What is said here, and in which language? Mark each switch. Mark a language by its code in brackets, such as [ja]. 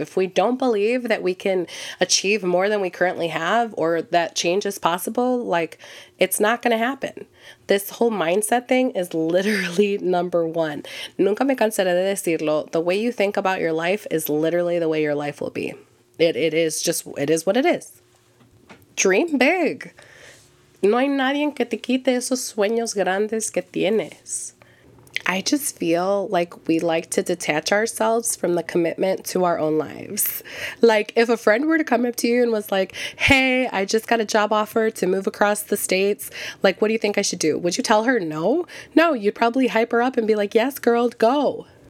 [en] If we don't believe that we can achieve more than we currently have, or that change is possible, like, it's not gonna happen. This whole mindset thing is literally number one. [es] Nunca me cansaré de decirlo. [en] The way you think about your life is literally the way your life will be. It is what it is. Dream big. [es] No hay nadie que te quite esos sueños grandes que tienes. [en] I just feel like we like to detach ourselves from the commitment to our own lives. Like, if a friend were to come up to you and was like, hey, I just got a job offer to move across the states. Like, what do you think I should do? Would you tell her no? No, you'd probably hype her up and be like, yes, girl, go.